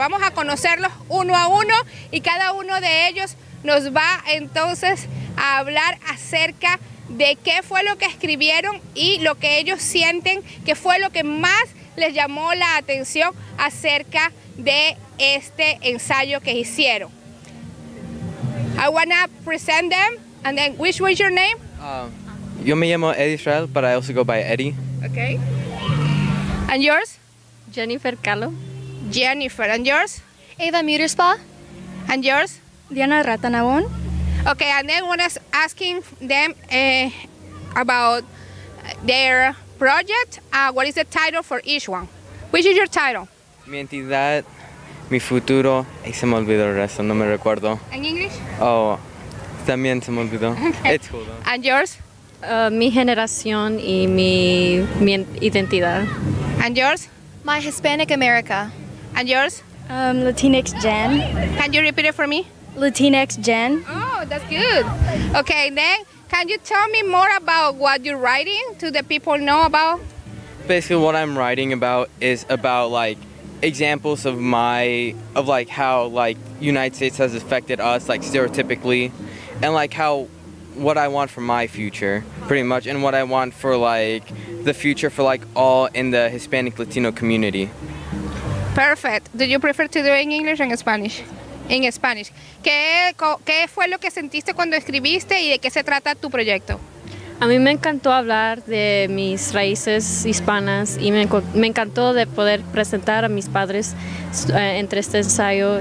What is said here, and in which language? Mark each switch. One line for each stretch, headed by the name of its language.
Spanish: Vamos a conocerlos uno a uno y cada uno de ellos nos va entonces a hablar acerca de qué fue lo que escribieron y lo que ellos sienten que fue lo que más les llamó la atención acerca de este ensayo que hicieron.
English: I wanna present them and then which was your name?
Spanish: Yo me llamo
English: Eddie Israel, but I also go by Eddie. Okay. And yours? Jennifer Calo. Jennifer. And yours? Ava Muterspa. And yours? Diana Ratanabon. Okay, and then when I was asking them about their project, what is the title for each one? Which is your title?
Spanish: Mi entidad, mi futuro, y se me olvidó el resto, no me recuerdo.
English: In English?
Spanish: Oh, también se me olvidó.
English: Okay. It's cool though. And yours?
Spanish: Mi generación y mi identidad.
English: And yours? My Hispanic America. And yours? Latinx Jen. Can you repeat it for me? Latinx Jen. Oh, that's good. Okay, then can you tell me more about what you're writing to the people know about? Basically, what I'm writing about is about like examples of how like United States has affected us, like stereotypically, and like how what I want for my future, pretty much, and what I want for like the future for like all in the Hispanic Latino community. Perfect. Do you prefer to do it in English or in Spanish? In Spanish.
Spanish: ¿Qué fue lo que sentiste cuando escribiste y de qué se trata tu proyecto? A mí me encantó hablar de mis raíces hispanas y me encantó de poder presentar a mis padres entre este ensayo.